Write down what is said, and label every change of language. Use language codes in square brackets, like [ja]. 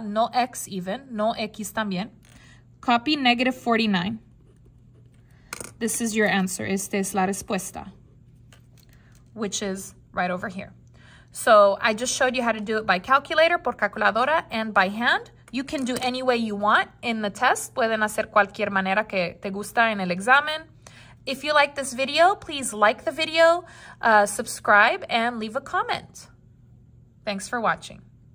[en] No X even, no X también. Copy negative 49. This is your answer. [es] Esta es la respuesta. [en] Which is right over here. So I just showed you how to do it by calculator, [es] por calculadora, [en] and by hand. You can do any way you want in the test. [es] Pueden hacer cualquier manera que te gusta en el examen. [en] If you like this video, please like the video, subscribe, and leave a comment. Thanks for watching.